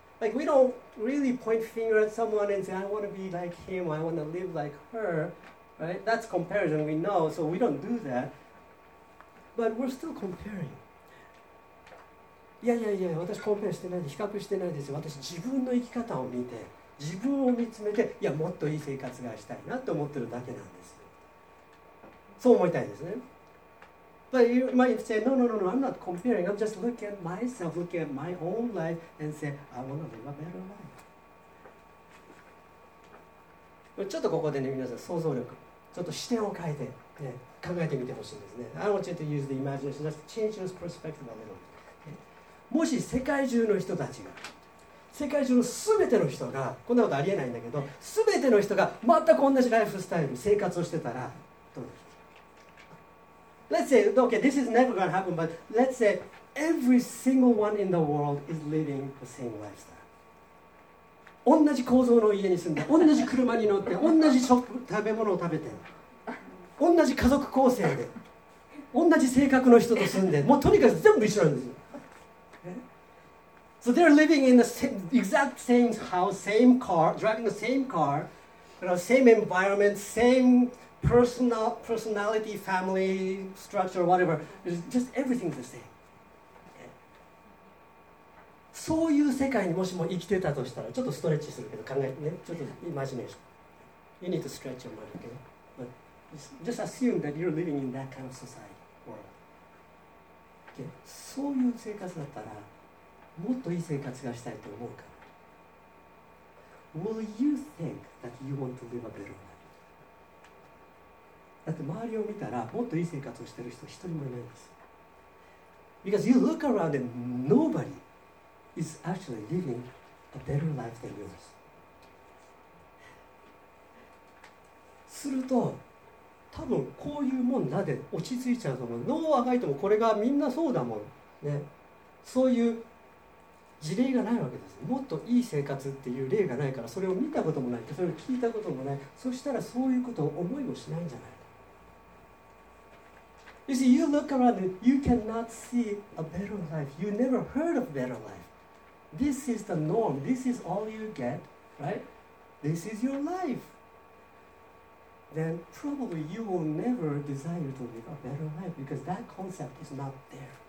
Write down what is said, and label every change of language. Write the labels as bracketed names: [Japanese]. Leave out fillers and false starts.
[English] Like we don't really point finger at someone and say I want to be like him, I want to live like her, right? That's comparison, we know, so we don't do that. But we're still comparing. [Japanese] いやいやいや、私コンペしてないで、比較してないですよ。私自分の生き方を見て、自分を見つめて、いや、もっといい生活がしたいなと思ってるだけなんです。そう思いたいですね。 [English] But you might say, no, no, no, no, I'm not comparing. I'm just looking at myself, looking at my own life and say, I want to live a better life. [Japanese] ちょっとここでね、皆さん、想像力、ちょっと視点を変えて、ね、考えてみてほしいんですね。 [English] I want you to use the imagination, just change your perspective a little bit. [Japanese] もし世界中の人たちが、世界中の全ての人が、こんなことありえないんだけど、全ての人が全く同じライフスタイル、生活をしてたら、どうでしょう。 [English] Let's say, okay, this is never going to happen, but let's say every single one in the world is living the same lifestyle. [Japanese] 同じ構造の家に住んで、同じ車に乗って、同じ食べ物を食べて、同じ家族構成で、同じ性格の人と住んで、もうとにかく全部一緒なんですよ。 [English] So they're living in the same, exact same house, same car, driving the same car, you know, same environment, same personality, family structure, whatever, just everything's the same. [Japanese] そういう世界にもしも生きてたとしたら、ちょっとストレッチするけど考えてね、ちょっとイマジネーション。 [English] You need to stretch your mind, okay? But just assume that you're living in that kind of society, world. Okay? [Japanese] そういう生活だったら、もっといい生活がしたいと思うから。 [English] Will you think that you want to live a better life? [Japanese] だって周りを見たら、もっといい生活をしてる人一人もいないんです。 [English] Because you look around and nobody is actually living a better life than yours. [Japanese] すると、多分こういうもんなで落ち着いちゃうと思う。どうあがいてもこれがみんなそうだもん。ね、そういう事例がないわけです。もっといい生活っていう例がないから、それを見たこともない、それを聞いたこともない。そしたらそういうことを思いもしないんじゃないか。 [English] You see, you look around and you cannot see a better life. You never heard of better life. This is the norm. This is all you get, right? This is your life. Then probably you will never desire to live a better life because that concept is not there.